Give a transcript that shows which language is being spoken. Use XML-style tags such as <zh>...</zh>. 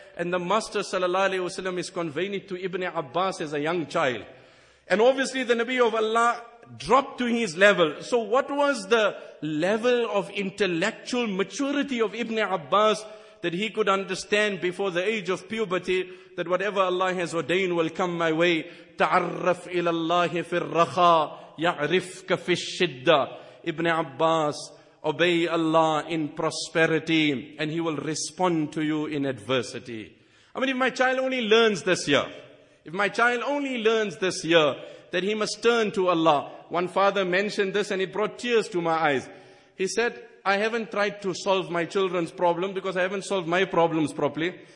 <en>And the Master sallallahu alaihi wasallam is conveying it to Ibn Abbas as a young child. And obviously the Nabi of Allah dropped to his level. So what was the level of intellectual maturity of Ibn Abbas that he could understand before the age of puberty that whatever Allah has ordained will come my way?</en> <ar>تعرف إلى الله في الرخاء يعرفك في الشدة.</ar> <en>Ibn Abbas, obey Allah in prosperity and he will respond to you in adversity. I mean, if my child only learns this year, if my child only learns this year that he must turn to Allah. One father mentioned this and it brought tears to my eyes. He said, I haven't tried to solve my children's problem because I haven't solved my problems properly.</en>